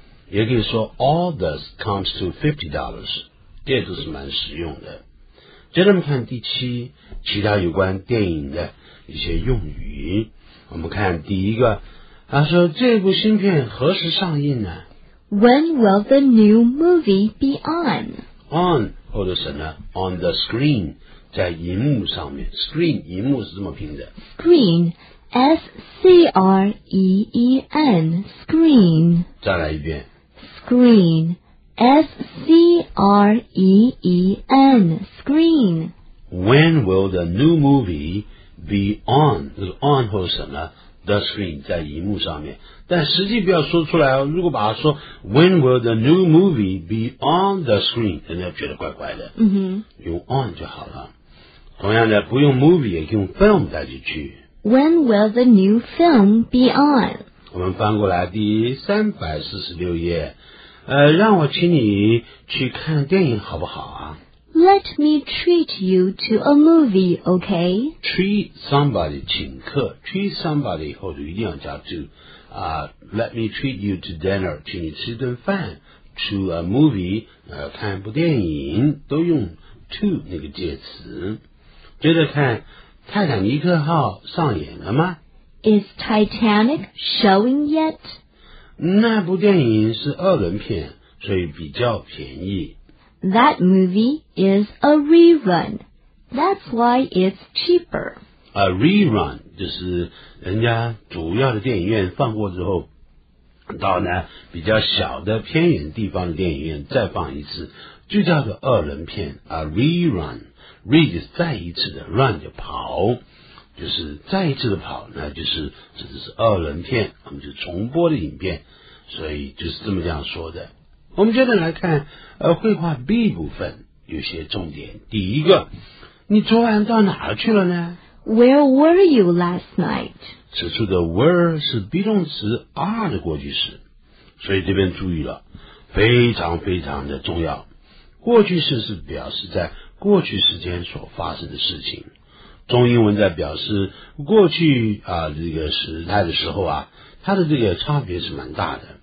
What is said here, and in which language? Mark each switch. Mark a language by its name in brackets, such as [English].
[Chinese] 也可以说 [English] all this comes to $50. [Chinese] 这都是蛮实用的。接着我们看第七，其他有关电影的一些用语。我们看第一个，他说这部新片何时上映呢？ [English] When will the new movie be on? [Chinese] On 或者什么 [English] On the screen [Chinese] 在荧幕上面。 Screen 荧幕是这么拼的。 [English] Screen S-C-R-E-E-N Screen [Chinese] 再来一遍。 [English] ScreenS-C-R-E-E-N Screen When will the new movie be on? [Chinese] 就是 on 或者什么 [English] The screen [Chinese] 在荧幕上面，但实际不要说出来哦。如果把它说 [English] When will the new movie be on the screen? [Chinese] 人家觉得怪怪的、 mm-hmm. 用 on 就好了。同样的，不用 movie 也用 film 带进去。 [English] When will the new film be on? [Chinese] 我们翻过来第346页，让我请你去看电影好不好啊？ [English] Let me treat you to a movie, okay? Treat somebody, [Chinese] 请客。 Treat somebody 后头一定要加 to、 [English] Let me treat you to dinner, [Chinese] 请你吃顿饭。 [English] To a movie, [Chinese] 看一部电影，都用 to 那个介词。接着看，泰坦尼克号上演了吗？ [English] Is Titanic showing yet? [Chinese] 那部电影是二轮片，所以比较便宜。 [English] That movie is a rerun. That's why it's cheaper. [Chinese] A rerun 就是人家主要的电影院放过之后，到呢比较小的偏远地方的电影院再放一次，就叫做二轮片。 [English] A rerun. [Chinese] Re 就是再一次的 ，run 就跑。就是再一次的跑，那就是指的是二轮片，我们就重播的影片，所以就是这么这样说的。我们接着来看绘画 B 部分有些重点。第一个，你昨晚到哪儿去了呢？ [English] Where were you last night? [Chinese] 此处的 where 是 be 动词 are 的过去式，所以这边注意了，非常非常的重要。过去式是表示在过去时间所发生的事情，中英文在表示过去啊这个时态的时候啊，它的这个差别是蛮大的。